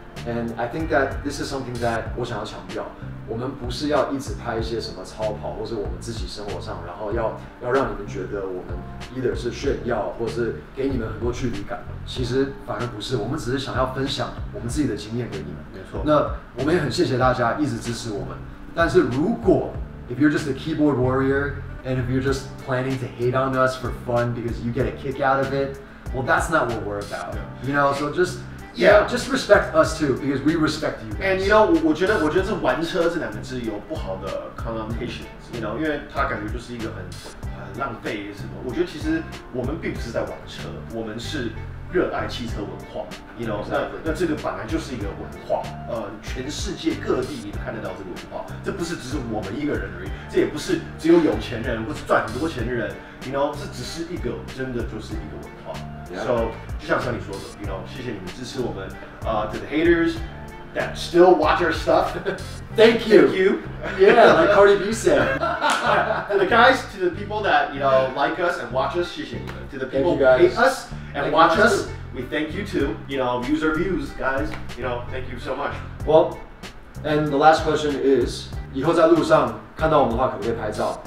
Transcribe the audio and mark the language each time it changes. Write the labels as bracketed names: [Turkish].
[English] And I think that this is something that [Chinese] 我想要强调，我们不是要一直拍一些什么超跑，或是我们自己生活上，然后要让你们觉得我们 [English] either [Chinese] 是炫耀，或是给你们很多距离感。其实反而不是，我们只是想要分享我们自己的经验给你们。没错。那我们也很谢谢大家一直支持我们。但是如果 [English] if you're just a keyboard warrior and if you're just planning to hate on us for fun because you get a kick out of it, well, that's not what we're about. You know, so just. Yeah, just respect us too, because we respect you. And you know, [Chinese] 我觉得这玩车这两个字有不好的 connotations. [English] You know, [Chinese] 因为它感觉就是一个很浪费什么。我觉得其实我们并不是在玩车，我们是热爱汽车文化. [English] You know, exactly. [Chinese] 那这个本来就是一个文化.全世界各地你都看得到这个文化，这不是只是我们一个人而已，这也不是只有有钱人或是赚很多钱的人. [English] You know, [Chinese] 这只是一个真的就是一个文化. [English] Yeah. So, [Chinese] 就像上你说的, [English] you know, [Chinese] 谢谢你们支持我们, [English] to the haters that still watch our stuff. Thank you. Thank you. Yeah, like Cardi B said. To the guys, to the people that, you know, like us and watch us, [Chinese] 谢谢你们. [English] To the people who hate us and watch us, we thank you too. You know, views are views, guys. You know, thank you so much. Well, and the last question is, [Chinese] 以后在路上看到我们的话可不可以拍照?